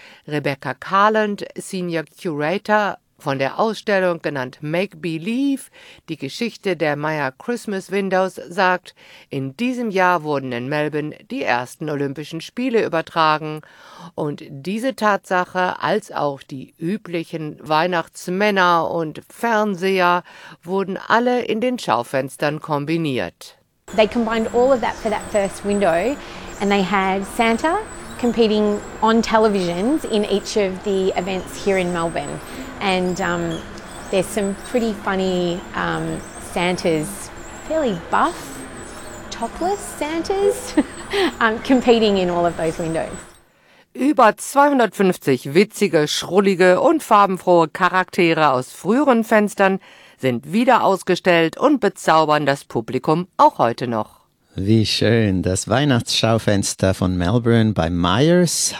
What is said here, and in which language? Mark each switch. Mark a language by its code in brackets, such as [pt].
[de] Rebecca Carland, Senior Curator von der Ausstellung genannt Make Believe, die Geschichte der Meyer Christmas Windows, sagt, in diesem Jahr wurden in Melbourne die ersten Olympischen Spiele übertragen und diese Tatsache als auch die üblichen Weihnachtsmänner und Fernseher wurden alle in den Schaufenstern kombiniert. [en] They combined all of that for that first window and they had Santa competing on televisions in each of the events here in Melbourne. And there's some pretty funny Santas, fairly buff, topless Santas, competing in all of those windows. [de] Über 250 witzige, schrullige und farbenfrohe Charaktere aus früheren Fenstern sind wieder ausgestellt und bezaubern das Publikum auch heute noch. Wie schön, das Weihnachtsschaufenster von Melbourne bei Myers.